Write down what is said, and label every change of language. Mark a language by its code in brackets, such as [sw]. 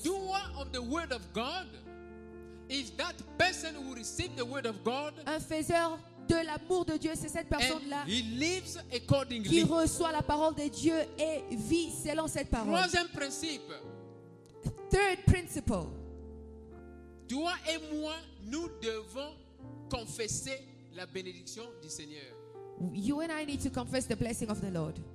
[en] A doer of the word of God is that person who receives the word of God. [fr] Un faiseur de l'amour de Dieu, c'est cette personne-là. [en] And he lives accordingly. [fr] Qui reçoit la parole de Dieu et vit selon cette parole. Troisième principe. [en] Third principle. [fr] Toi et moi, nous devons confesser la bénédiction du Seigneur. [en] You and I need to confess the blessing of the Lord.